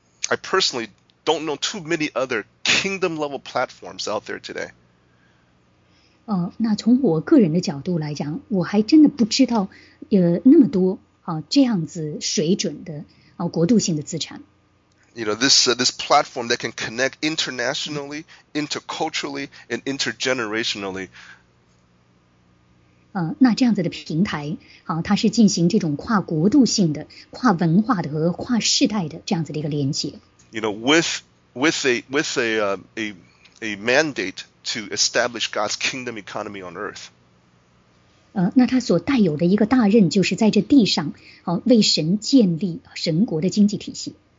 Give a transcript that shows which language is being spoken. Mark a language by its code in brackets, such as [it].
[en] I personally don't know too many other kingdom level platforms out there today. [zh] 那从我个人的角度来讲，我还真的不知道那么多这样子水准的国度性的资产。 [en] You know, this platform that can connect internationally, interculturally, and intergenerationally. [zh] 那这样子的平台，它是进行这种跨国度性的、跨文化的和跨世代的这样子的一个连接。 [en] You know, with a mandate to establish God's kingdom economy on earth. [zh] 那它所带有的一个大任，就是在这地上，为神建立神国的经济体系。